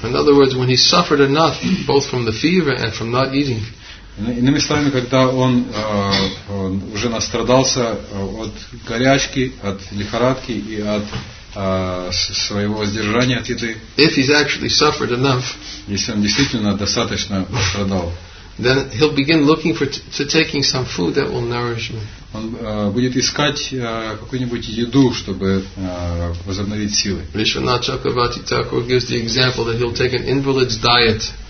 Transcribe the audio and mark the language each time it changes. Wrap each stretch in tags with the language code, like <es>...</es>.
<en>In other words, when he suffered enough, both from the fever and from not eating.</en> <ru>Иными словами, когда он уже настрадался от горячки, от лихорадки и от своего воздержания от еды.</ru> <en>If he's actually suffered enough.</en> <ru>Если он действительно достаточно страдал.</ru> <en>Then he'll begin looking for to taking some food that will nourish him.</en> <ru>Он будет искать какую-нибудь еду, чтобы возобновить силы.</ru> <en>Vishwanath Chakravarti Thakur gives the example that he'll take an invalid's diet.</en>